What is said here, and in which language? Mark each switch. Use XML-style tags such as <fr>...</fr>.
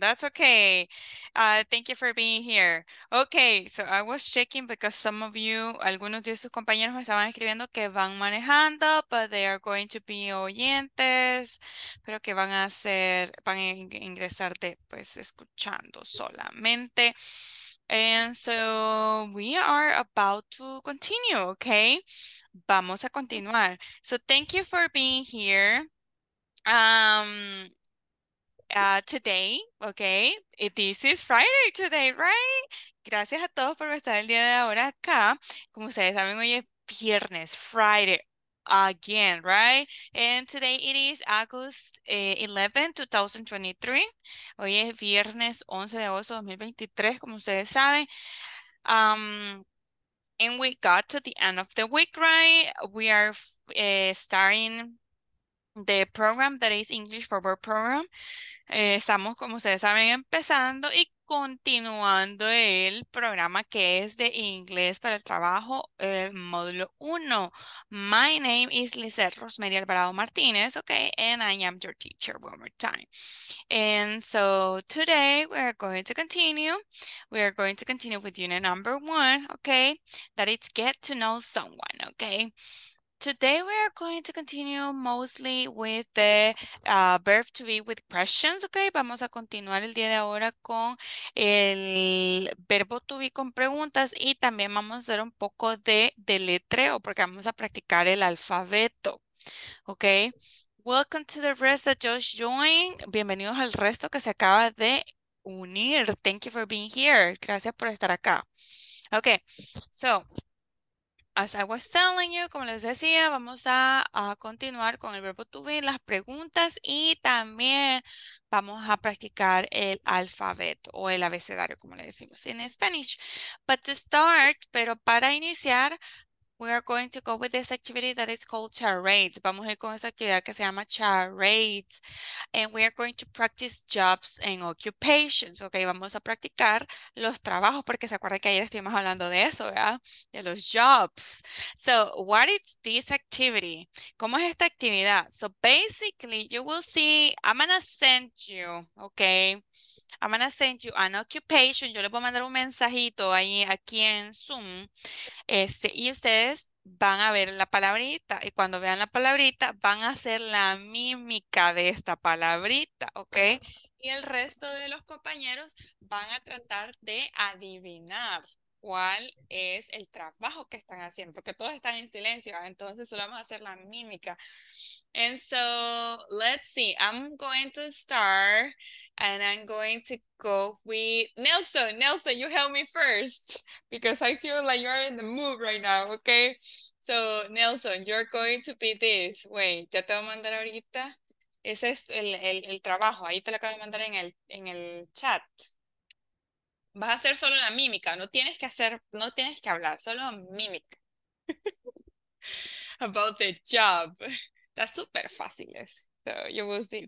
<en>That's okay. Thank you for being here. Okay, so I was checking because some of you,</en> <es>algunos de sus compañeros me estaban escribiendo que van manejando,</es> <en>but they are going to be</en> <es>oyentes, pero que van a hacer, van a ingresarte pues escuchando solamente.</es> <en>And so we are about to continue, okay?</en> <es>Vamos a continuar.</es> <en>So thank you for being here today, okay? This is Friday today, right?</en> <es>Gracias a todos por estar el día de ahora acá. Como ustedes saben, hoy es viernes, Friday.</es> <en>Again, right? And today it is August 11, 2023.</en> <es>Hoy es viernes 11 de agosto de 2023, como ustedes saben.</es> <en>And we got to the end of the week, right? We are starting the program that is English for Work program.</en> <es>Estamos, como ustedes saben, empezando y continuando el programa que es de inglés para el trabajo, el módulo 1.</es> <en>My name is Lizeth Rosemary Alvarado Martínez, okay, and I am your teacher one more time. And so today we are going to continue. We are going to continue with unit number 1, okay, that it's get to know someone, okay. Today we are going to continue mostly with the verb to be with questions, okay?</en> <es>Vamos a continuar el día de ahora con el verbo to be con preguntas y también vamos a hacer un poco de deletreo porque vamos a practicar el alfabeto, okay?</es> <en>Welcome to the rest that just joined.</en> <es>Bienvenidos al resto que se acaba de unir.</es> <en>Thank you for being here.</en> <es>Gracias por estar acá.</es> <en>Okay, so as I was telling you,</en> <es>como les decía, vamos a continuar con el verbo to be, las preguntas y también vamos a practicar el alfabeto o el abecedario, como le decimos en Spanish.</es> <en>But to start,</en> <es>pero para iniciar,</es> <en>we are going to go with this activity that is called charades.</en> <es>Vamos a ir con esa actividad que se llama charades.</es> <en>And we are going to practice jobs and occupations.</en> <es>Okay, vamos a practicar los trabajos porque se acuerdan que ayer estuvimos hablando de eso, ¿verdad? De los jobs.</es> <en>So, what is this activity?</en> <es>¿Cómo es esta actividad?</es> <en>So, basically, you will see, I'm gonna send you, okay? I'm gonna send you an occupation.</en> <es>Yo le voy a mandar un mensajito ahí, aquí en Zoom. Y ustedes van a ver la palabrita. Y cuando vean la palabrita, van a hacer la mímica de esta palabrita, ¿ok? Y el resto de los compañeros van a tratar de adivinar cuál es el trabajo que están haciendo, porque todos están en silencio, ¿eh? Entonces solo vamos a hacer la mímica.</es> <en>And so, let's see, I'm going to start and I'm going to go with Nelson. Nelson, you help me first because I feel like you are in the mood right now, okay? So, Nelson, you're going to be this. Wait,</en> <es>ya te voy a mandar ahorita. Ese es el trabajo, ahí te lo acabo de mandar en el chat. Vas a hacer solo la mímica, no tienes que hacer, no tienes que hablar, solo mímica.</es> <en>About the job.</en> <es>Está súper fácil eso.</es> <en>So you will see.</en>